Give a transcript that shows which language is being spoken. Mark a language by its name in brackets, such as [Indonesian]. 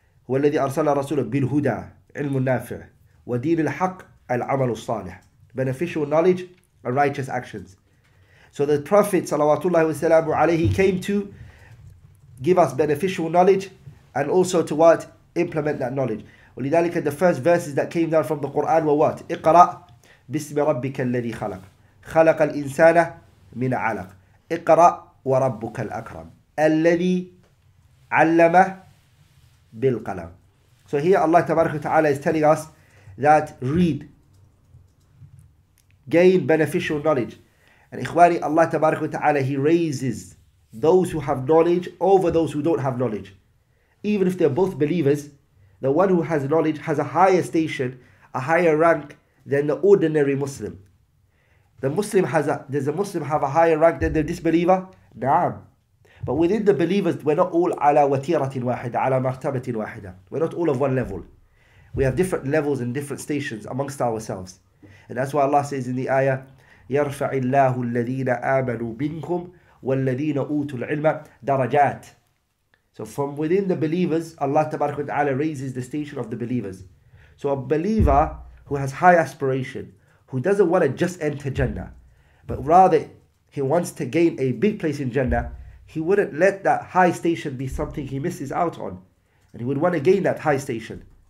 [Arabic] هُوَ الَّذِي أَرْسَلَ رَسُولَهُ بِالْهُدَى, عِلْمُ النَّافِعِ, وَدِينِ الْحَقِّ, الْعَمَلُ الصَّالِحِ, [English] beneficial knowledge and righteous actions. So the Prophet sallallahu alayhi came to give us beneficial knowledge and also to what? Implement that knowledge. ولذلك, the first verses that came down from the Quran were what? [Arabic] اقرا بسم ربك الذي خلق, خلق الانسان من علق, اقرا وربك الاكرم الذي علم بالقلم. [English] So here Allah tabaraka ta'ala is telling us that read, gain beneficial knowledge. And ikhwani, Allah tabarak wa ta'ala, He raises those who have knowledge over those who don't have knowledge. Even if they're both believers, the one who has knowledge has a higher station, a higher rank than the ordinary Muslim. Does the Muslim have a higher rank than the disbeliever? Naam. But within the believers, we're not all [Arabic] ala watiratin wahida, ala martabatin wahida. [English] We're not all of one level. We have different levels and different stations amongst ourselves. And that's why Allah says in the ayah, [Arabic] يرفع الله الذين آمنوا منكم والذين أوتوا العلم درجات. [English] So from within the believers, Allah tabarak wa ta'ala raises the station of the believers. So a believer who has high aspiration, who doesn't want to just enter Jannah, but rather he wants to gain a big place in Jannah, he wouldn't let that high station be something he misses out on. And he would want to gain that high station.